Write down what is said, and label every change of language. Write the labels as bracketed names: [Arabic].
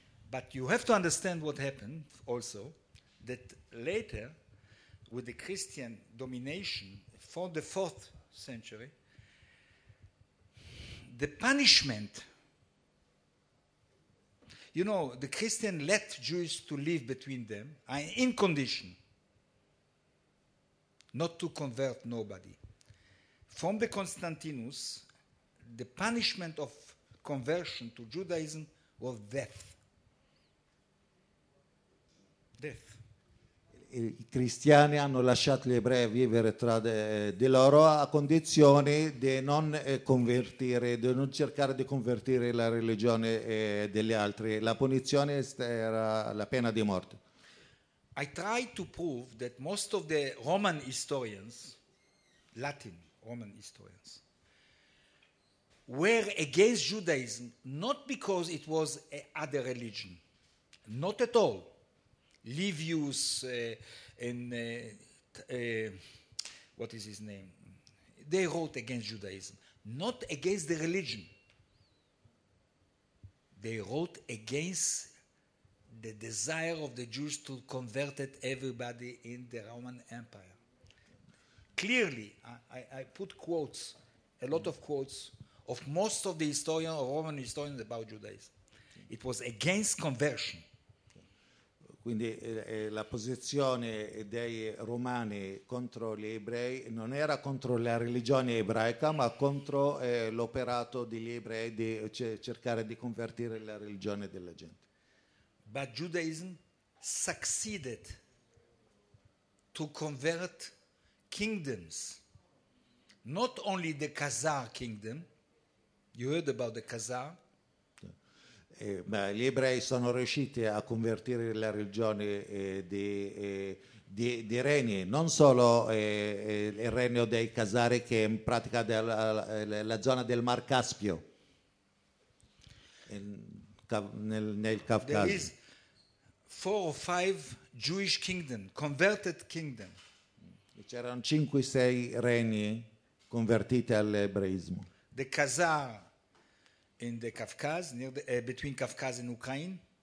[English] But you have to understand what happened also, that later, with the Christian domination for the fourth century, the punishment, you know, the Christian let Jews to live between them in condition not to convert nobody. From the Constantinus, the punishment of conversion to Judaism was death. Death. [Italian] I cristiani hanno lasciato gli ebrei vivere tra di loro a condizione di non convertire, di non cercare di convertire la religione degli altri. La punizione era la pena di morte. [English] I try to prove that most of the Roman historians, Latin Roman historians, were against Judaism not because it was a other religion, not at all. Livius they wrote against Judaism, not against the religion. They wrote against the desire of the Jews to convert everybody in the Roman Empire. Clearly, I put quotes, a lot of quotes, of most of the historian, Roman historians about Judaism. It was against conversion. [Italian] Quindi la posizione dei romani contro gli ebrei non era contro la religione ebraica, ma contro l'operato degli ebrei di cercare di convertire la religione della gente. [English] But Judaism succeeded to convert kingdoms, not only the Khazar kingdom. You heard about the Khazar? [Italian] Gli ebrei sono riusciti a convertire la religione di regni, non solo il regno dei Khazari, che è in pratica la zona del Mar Caspio, nel Caucaso. [English] There is four or five Jewish kingdom, converted kingdom. [Italian] C'erano 5-6 regni convertiti all'ebraismo. [English] The Khazar in the Caucasus, between Caucasus and Ukraine.